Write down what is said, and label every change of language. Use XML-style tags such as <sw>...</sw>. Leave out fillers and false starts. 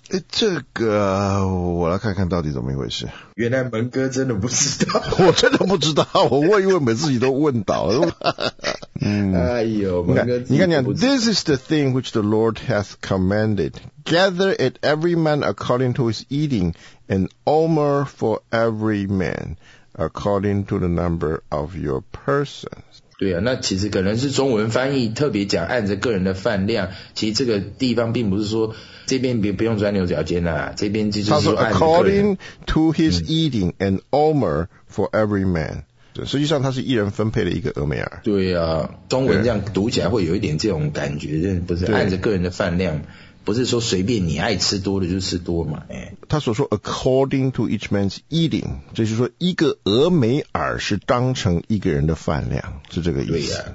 <zh>这个我来看看到底怎么一回事。原来蒙哥真的不知道。我真的不知道，我问一问把自己都问倒了。蒙哥你看</zh> <en>This is the thing which the Lord hath commandedGather it every man according to his eating, an omer for every man according to the number of your persons.</en> <zh>对啊，那其实可能是中文翻译特别讲按着个人的饭量，其实这个地方并不是说这边不用钻牛角尖啊，这边就是说</zh> <en>according to his eating, an omer for every man.</en> <zh>实际上他是一人分配了一个俄美尔。对啊，中文这样读起来会有一点这种感觉，不是按着个人的饭量，不是说随便你爱吃多的就吃多嘛。他所说</zh> <en>according to each man's eating,</en> <zh>就是说一个俄美尔是当成一个人的饭量，是这个意思。</zh>